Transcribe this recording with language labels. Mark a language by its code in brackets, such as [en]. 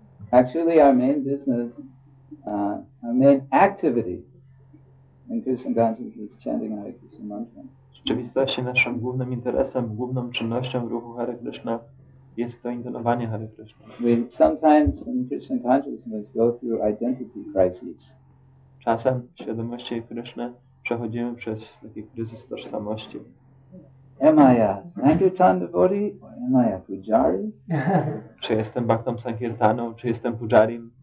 [en] Actually, our main business, our main activity in Krishna consciousness is chanting Hare Krishna mantra. [pl] W rzeczywistości naszym głównym interesem, główną czynnością w ruchu Hare Krishna jest to intonowanie Hare Krishna. [en] We sometimes in Krishna consciousness go through identity crises. [pl] Czasem w świadomości Hare Krishna przechodzimy przez taki kryzys tożsamości. [en] Am I a Sankirtan devotee or am I a pujari? [pl] Czy jestem bhaktam sankirtaną, czy jestem pujarim?